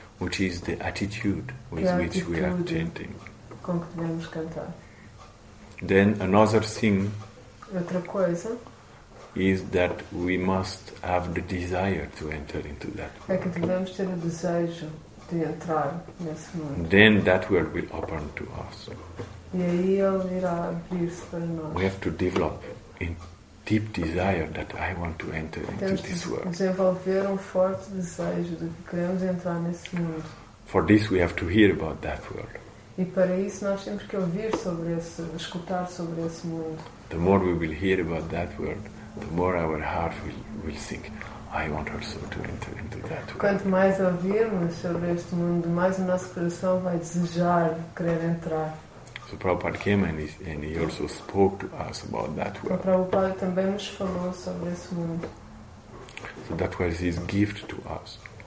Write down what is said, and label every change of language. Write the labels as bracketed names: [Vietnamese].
[English] Which is the attitude with which we are chanting. [Portuguese] Com que devemos cantar. [English] Then another thing. [Portuguese] Outra coisa. [English] Is that we must have the desire to enter into that. [Portuguese] É que devemos ter o desejo de entrar nesse mundo. [English] Then that world will open to us. [Portuguese] E aí ele irá abrir-se para nós. [English] We have to develop in deep desire that I want to enter into [Portuguese] temos [English] this world. [Portuguese] Desenvolver um forte desejo de que queremos entrar nesse mundo. [English] For this we have to hear about that world. [Portuguese] E para isso nós temos que ouvir sobre esse, escutar sobre esse mundo. [English] The more we will hear about that world, the more our heart will think, I want also to enter into that world. [Portuguese] Quanto mais ouvirmos sobre este mundo, mais o nosso coração vai desejar querer entrar. [English] So Prabhupada came and he also spoke to us about that world. [Portuguese] O Prabhupada também nos falou sobre esse mundo. [English] So that was his gift to us.